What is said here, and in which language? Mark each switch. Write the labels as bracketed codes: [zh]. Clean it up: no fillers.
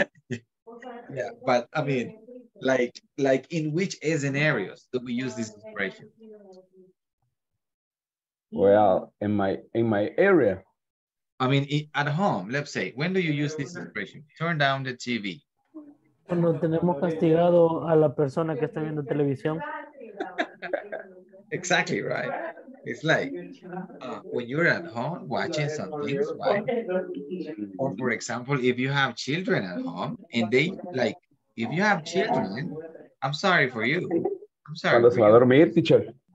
[en] Yeah, but I mean, like in which scenarios do we use this expression? Well, in my area. I mean, at home, let's say, when do you use this expression? Turn down the TV. [es] Cuando tenemos castigado a la persona que está viendo televisión. [en] Exactly, right? It's like when you're at home watching some things, right? Or for example, if you have children at home and they like, if you have children, I'm sorry for you. I'm sorry. [es] Cuando se va a dormir, teacher.